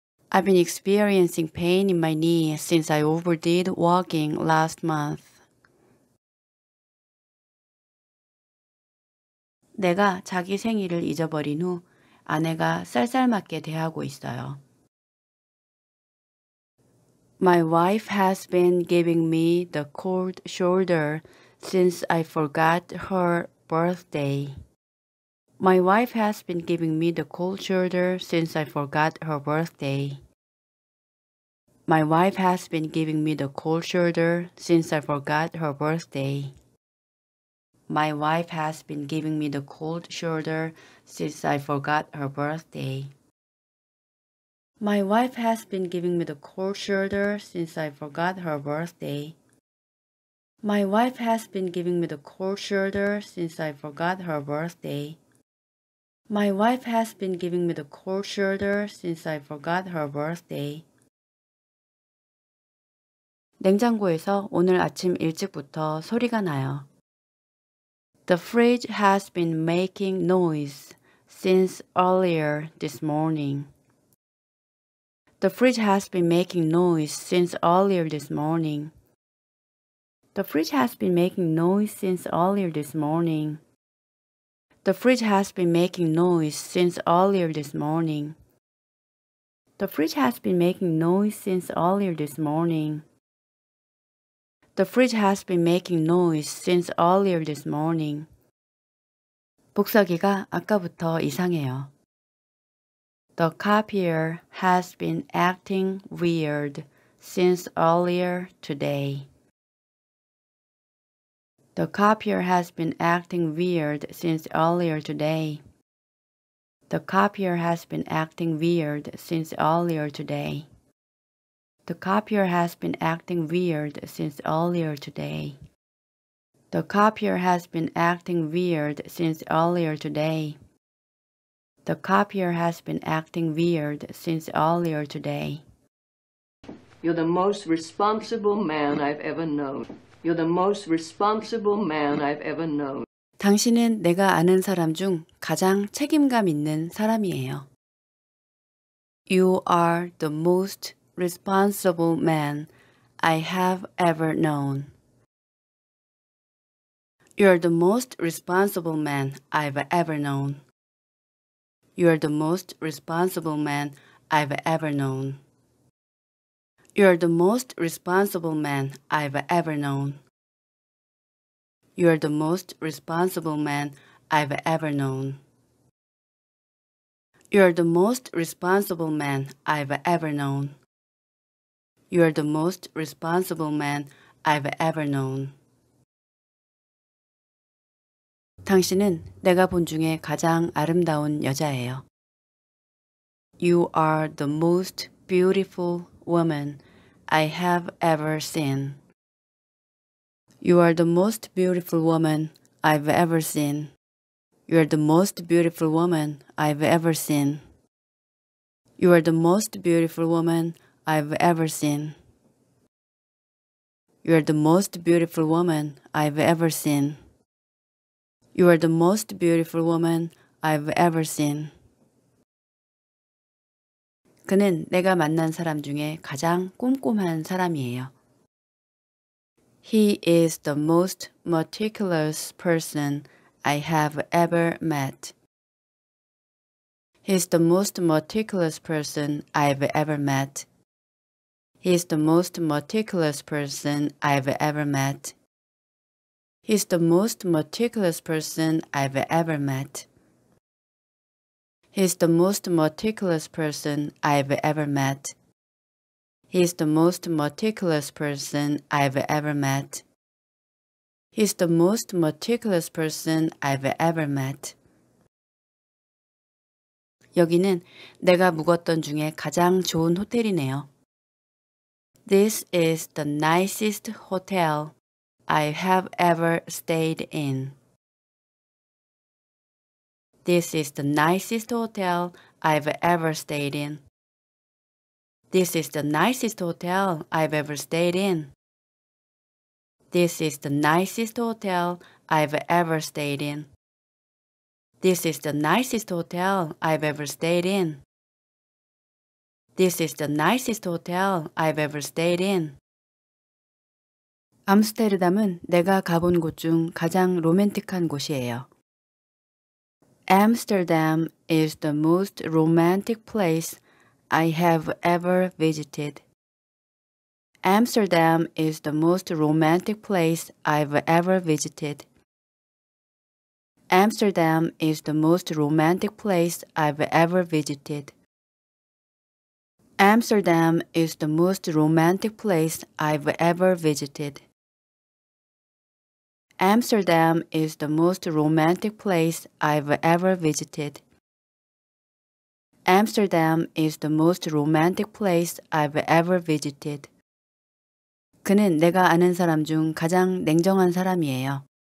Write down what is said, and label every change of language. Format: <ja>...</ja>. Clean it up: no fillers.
<en>I've been experiencing pain in my knee since I overdid walking last month.</en> <ko>내가 자기 생일을 잊어버린 후 아내가 쌀쌀맞게 대하고 있어요.</ko> <en>My wife has been giving me the cold shoulder since I forgot her birthday. My wife has been giving me the cold shoulder since I forgot her birthday. My wife has been giving me the cold shoulder since I forgot her birthday. My wife has been giving me the cold shoulder since I forgot her birthday. My wife has been giving me the cold shoulder since I forgot her birthday. My wife has been giving me the cold shoulder since I forgot her birthday. My wife has been giving me the cold shoulder since I forgot her birthday.</en> <ko>냉장고에서 오늘 아침 일찍부터 소리가 나요.</ko> <en>The fridge has been making noise since earlier this morning. The fridge has been making noise since earlier this morning. The fridge has been making noise since earlier this morning. The fridge has been making noise since earlier this morning. The fridge has been making noise since earlier this morning. The fridge has been making noise since earlier this morning.</en> <ko>복사기가 아까부터 이상해요.</ko> <en>The copier has been acting weird since earlier today. The copier has been acting weird since earlier today. The copier has been acting weird since earlier today. The copier has been acting weird since earlier today. The copier has been acting weird since earlier today. The copier has been acting weird since earlier today. You're the most responsible man I've ever known. You're the most responsible man I've ever known.</en> <ko>당신은 내가 아는 사람 중 가장 책임감 있는 사람이에요.</ko> <en>You are the most responsible man I have ever known. You're the most responsible man I've ever known. You're the most responsible man I've ever known. You're the most responsible man I've ever known. You are the most responsible man I've ever known. You are the most responsible man I've ever known. You are the most responsible man I've ever known.</en> <ko>당신은 내가 본 중에 가장 아름다운 여자예요.</ko> <en>You are the most beautiful woman I have ever seen. You are the most beautiful woman I've ever seen. You are the most beautiful woman I've ever seen. You are the most beautiful woman I've ever seen. You are the most beautiful woman I've ever seen. You are the most beautiful woman I've ever seen.</en> <ko>그는 내가 만난 사람 중에 가장 꼼꼼한 사람이에요.</ko> <en>He is the most meticulous person I have ever met. He is the most meticulous person I've ever met. He is the most meticulous person I've ever met. He is the most meticulous person I've ever met. He is the most meticulous person I've ever met. He is the most meticulous person I've ever met. He is the most meticulous person I've ever met.</en> <ko>여기는 내가 묵었던 중에 가장 좋은 호텔이네요.</ko> <en>This is the nicest hotel I have ever stayed in. This is the nicest hotel I've ever stayed in. This is the nicest hotel I've ever stayed in. This is the nicest hotel I've ever stayed in. This is the nicest hotel I've ever stayed in. This is the nicest hotel I've ever stayed in.</en> <ko>암스테르담은 내가 가본 곳 중 가장 로맨틱한 곳이에요.</ko> <en>Amsterdam is the most romantic place I have ever visited. Amsterdam is the most romantic place I've ever visited. Amsterdam is the most romantic place I've ever visited. Amsterdam is the most romantic place I've ever visited. Amsterdam is the most romantic place I've ever visited. Amsterdam is the most romantic place I've ever visited.</en> <ko>그는 내가 아는 사람 중 가장 냉정한 사람이에요.</ko>